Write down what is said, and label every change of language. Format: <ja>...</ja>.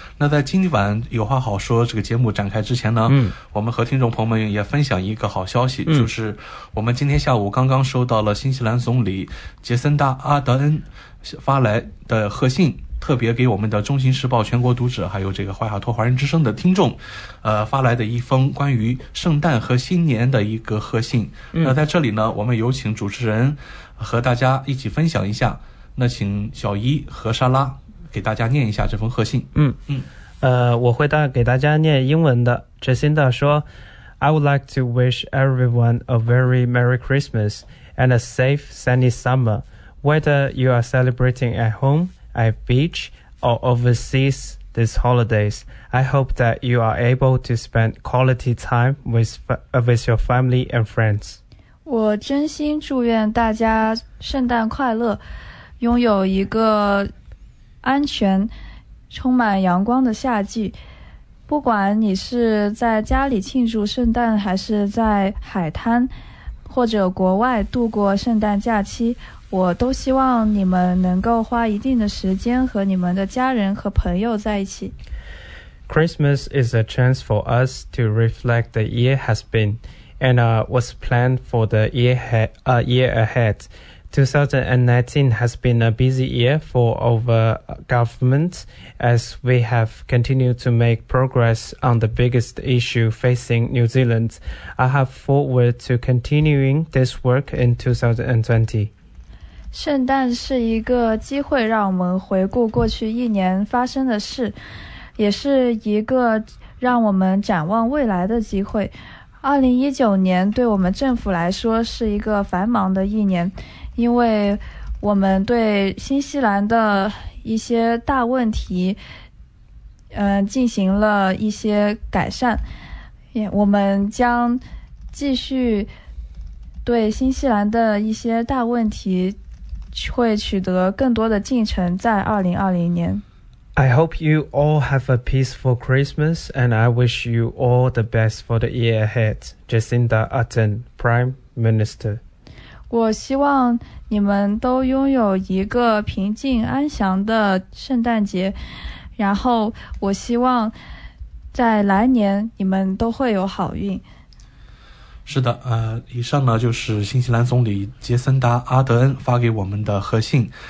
<zh>那在今晚有话好说这个节目展开之前呢，我们和听众朋友们也分享一个好消息，就是我们今天下午刚刚收到了新西兰总理杰森达·阿德恩发来的贺信，特别给我们的《中心时报》全国读者还有这个怀卡托华人之声的听众发来的一封关于圣诞和新年的一个贺信。那在这里呢，我们有请主持人和大家一起分享一下，那请小一和莎拉给大家念一下这封贺信。我会给大家念英文的。</zh> <en>Jacinda 说 I would like to wish everyone a very Merry Christmas and a safe sunny summer. Whether you are celebrating at home, at beach, or overseas these holidays, I hope that you are able to spend quality time with your family and friends.</en> <zh>我真心祝愿大家圣诞快乐，拥有一个安全充满阳光的夏季。不管你是在家里庆祝圣诞，还是在海滩或者国外度过圣诞假期，我都希望你们能够花一定的时间和你们的家人和朋友在一起。</zh> <en>Christmas is a chance for us to reflect the year has been and what's planned for the year ahead. 2019 has been a busy year for our government as we have continued to make progress on the biggest issue facing New Zealand. I have forward to continuing this work in 2020.</en> <zh>圣诞是一个机会让我们回顾过去一年发生的事，也是一个让我们展望未来的机会。 2019年对我们政府来说是一个繁忙的一年，因为我们对新西兰的一些大问题进行了一些改善，我们将继续对新西兰的一些大问题会取得更多的进程在2020年。</zh> <en>I hope you all have a peaceful Christmas and I wish you all the best for the year ahead. Jacinda Ardern, Prime Minister.</en> <zh>我希望你们都拥有一个平静安详的圣诞节，然后我希望在来年你们都会有好运。是的，以上呢就是新西兰总理杰森达·阿德恩发给我们的贺信。</zh>